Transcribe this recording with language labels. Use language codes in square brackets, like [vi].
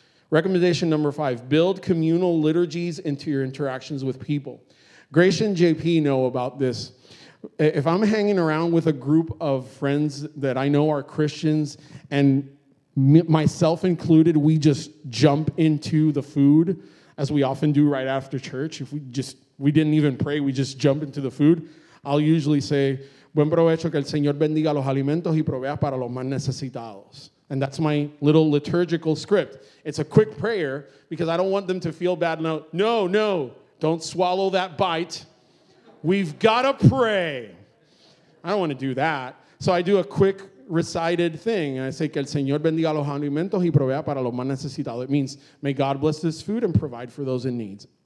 [en] Recommendation number 5, build communal liturgies into your interactions with people. Gracia and JP know about this. If I'm hanging around with a group of friends that I know are Christians, and myself included, we just jump into the food, as we often do right after church. If we didn't even pray, we just jump into the food. I'll usually say, [es] "Buen provecho, que el Señor bendiga los alimentos y provea para los más necesitados." [en] And that's my little liturgical script. It's a quick prayer because I don't want them to feel bad. No, don't swallow that bite. We've got to pray. I don't want to do that. So I do a quick recited thing. And I say, [es] que el Señor bendiga los alimentos y provea para los más necesitados. [en] It means, may God bless this food and provide for those in need.